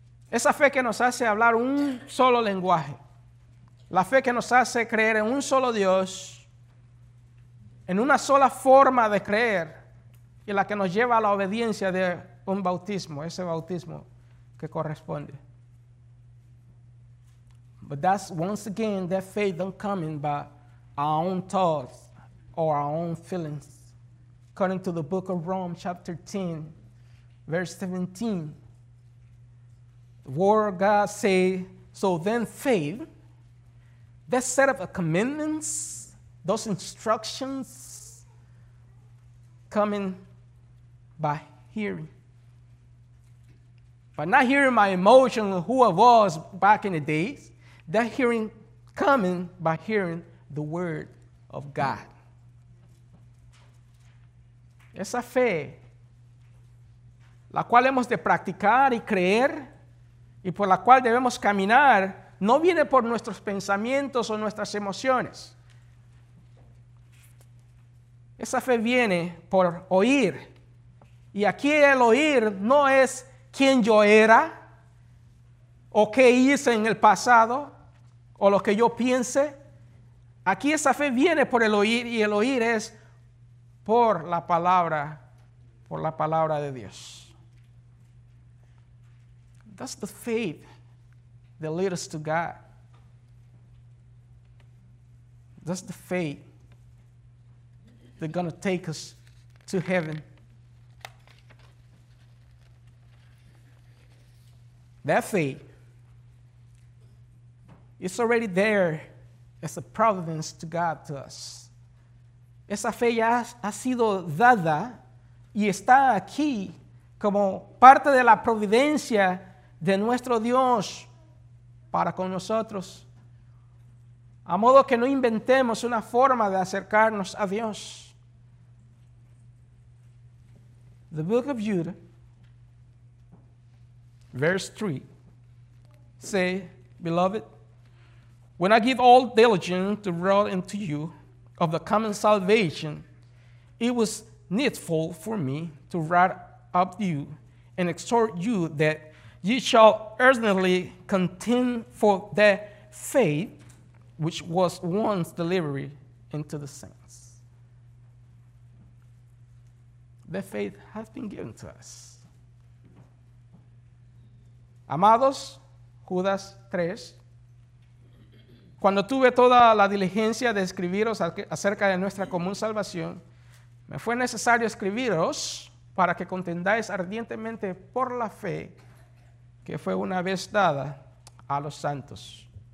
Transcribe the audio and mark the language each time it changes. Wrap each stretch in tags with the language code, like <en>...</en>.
<es>Esa fe que nos hace hablar un solo lenguaje. La fe que nos hace creer en un solo Dios. En una sola forma de creer. Y la que nos lleva a la obediencia de un bautismo. Ese bautismo que corresponde.</es> <en>But that's, once again, that faith don't come in by our own thoughts or our own feelings. According to the book of Romans, chapter 10, verse 17, the word of God says, so then faith, that set of commandments, those instructions, coming by hearing. But not hearing my emotion or who I was back in the days. That hearing coming by hearing the word of God.</en> <es>Esa fe, la cual hemos de practicar y creer, y por la cual debemos caminar, no viene por nuestros pensamientos o nuestras emociones. Esa fe viene por oír. Y aquí el oír no es quién yo era, o qué hice en el pasado, o lo que yo piense. Aquí esa fe viene por el oír, y el oír es por la palabra de Dios.</es> <en>That's the faith that leads us to God. That's the faith that's going to take us to heaven. That faith is already there as a providence to God to us.</en> <es>Esa fe ya ha sido dada y está aquí como parte de la providencia de nuestro Dios para con nosotros. A modo que no inventemos una forma de acercarnos a Dios.</es> <en>The book of Jude, verse 3, say, beloved, when I give all diligence to write unto you of the common salvation, it was needful for me to write up you and exhort you that ye shall earnestly contend for that faith which was once delivered into the saints. The faith has been given to us.</en> <es>Amados, Judas 3, cuando tuve toda la diligencia de escribiros acerca de nuestra común salvación, me fue necesario escribiros para que contendáis ardientemente por la fe que fue una vez dada a los santos.</es>